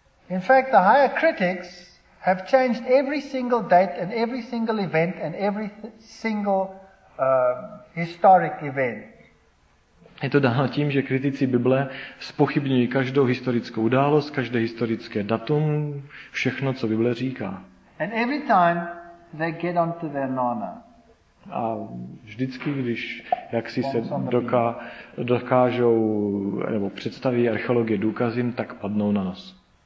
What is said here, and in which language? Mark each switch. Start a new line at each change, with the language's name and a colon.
English: In fact, the higher critics have changed every single date and every single event and every single historic event.
Czech: Je to dáno tím, že kritici Bible zpochybňují každou historickou událost, každé historické datum, všechno, co Bible říká.
English: And every time they get onto their nana.
Czech: A vždycky, když jaksi se dokážou nebo představí archeologie důkazím, tak padnou na nos.